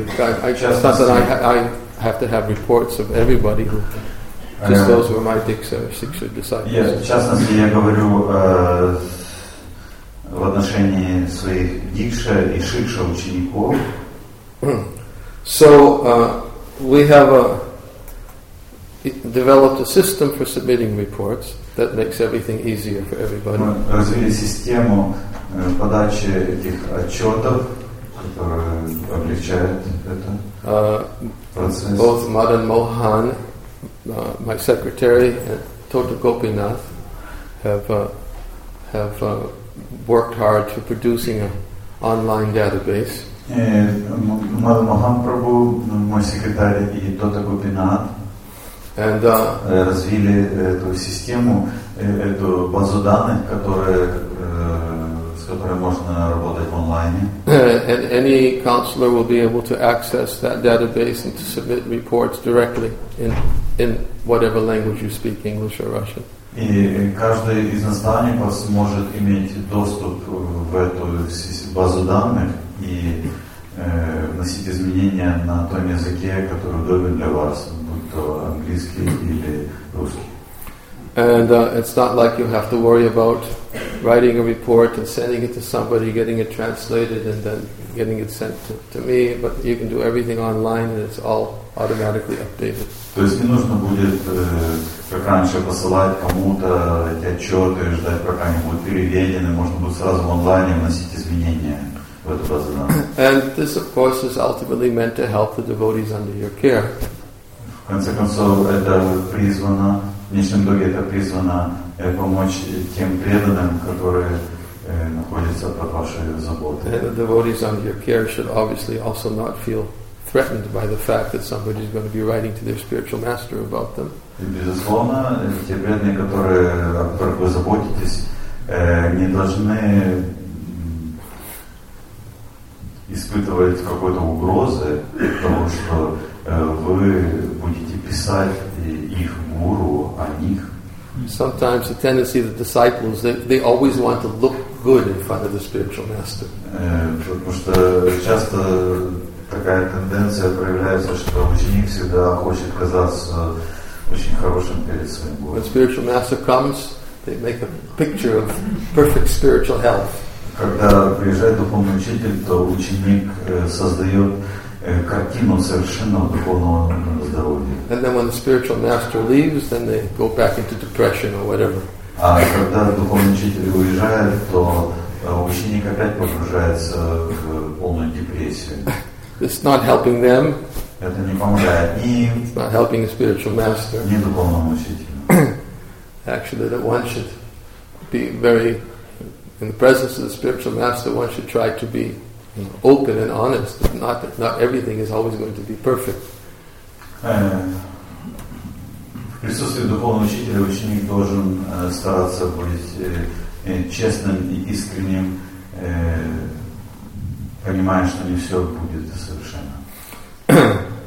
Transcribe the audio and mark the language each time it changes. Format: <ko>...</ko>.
<en>It's not that I have to have reports of everybody who... Just those were my Diksha or Siksha disciples.</en> <ru>Yes, в частности, я говорю в отношении своих Дикша и Шикша учеников.</ru> <en>So we have developed a system for submitting reports that makes everything easier for everybody.</en> <ru>Мы развили систему подачи этих отчетов, которая облегчает этот процесс.</ru> <en>Both Madan Mohan, my secretary, Toto Gopinath, have worked hard to producing an online database. Madan Mohan Prabhu, my secretary, and Toto Gopinath, and</en> <ru>развили эту систему, эту базу данных, с которой можно работать онлайне.</ru> <en>And any counselor will be able to access that database and to submit reports directly in whatever language you speak, English or Russian.</en> <ru>И каждый из наставников сможет иметь доступ в эту базу данных и вносить изменения на том языке, который удобен для вас, будь то английский или русский.</ru> <en>And it's not like you have to worry about writing a report and sending it to somebody, getting it translated and then getting it sent to me, but you can do everything online and it's all automatically updated.</en> <ru>То есть не нужно будет как раньше посылать кому-то эти отчеты, ждать, пока они будут переведены, можно будет сразу в онлайне вносить изменения в эту базу данных.</ru> <en>And this, of course, is ultimately meant to help the devotees under your care.</en> <ru>В конце концов, это призвано, в конечном итоге это призвано помочь тем преданным, которые находятся под вашей заботой.</ru> <en>And the devotees under your care should obviously also not feel threatened by the fact that somebody is going to be writing to their spiritual master about them.</en> <ru>Безусловно, те преданные, которые, о которых вы заботитесь, не должны испытывать какой-то угрозы того, что вы будете писать их гуру о них.</ru> <en>Sometimes the tendency of the disciples, they always want to look good in front of the spiritual master.</en> <ru>Потому что часто такая тенденция проявляется, что ученик всегда хочет казаться очень хорошим перед своим гуру.</ru> <en>When spiritual master comes, they make a picture of perfect spiritual health.</en> <ru>Когда приезжает духовный учитель, то ученик создает картину совершенно духовного здоровья.</ru> <en>And then when the spiritual master leaves, then they go back into depression or whatever.</en> <ru>А когда духовный учитель уезжает, то ученик опять погружается в полную депрессию.</ru> <en>It's not helping them.</en> <ru>Это не помогает им.</ru> <en>It's not helping the spiritual master.</en> <ru>Не духовному учителю.</ru> <en>Actually, that one should be very, in the presence of the spiritual master, one should try to be open and honest. Not everything is always going to be perfect.</en> <ru>В присутствии духовного учителя ученик должен стараться быть честным и искренним. Понимаем, что не все будет совершенно.</ru>